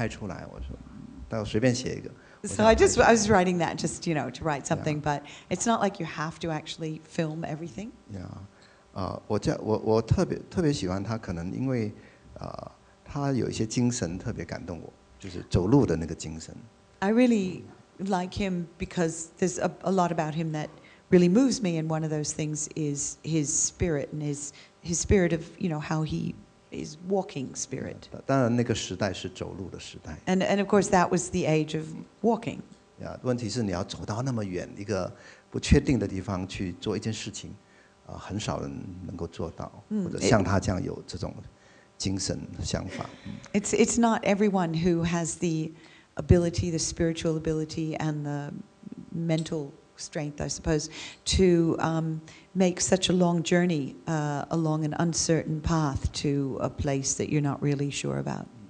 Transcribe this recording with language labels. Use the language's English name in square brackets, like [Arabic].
[Chinese] 对，我不觉得每个东西都要拍出来，我说，那我随便写一个。 [English] So I was writing that just, you know, to write something, yeah. But it's not like you have to actually film everything. Yeah, [Chinese] 我特别喜欢他，可能因为。他有一些精神特别感动我，就是走路的那个精神。 [English] I really like him because there's a lot about him that really moves me, and one of those things is his spirit and his spirit of, you know, how he is walking spirit. [Chinese] 当然那个时代是走路的时代。 [English] And of course that was the age of walking. Yeah, [Chinese] 问题是你要走到那么远一个不确定的地方去做一件事情，很少人能够做到，或者像他这样有这种。 [English] It's not everyone who has the ability, the spiritual ability, and the mental strength, I suppose, to make such a long journey along an uncertain path to a place that you're not really sure about.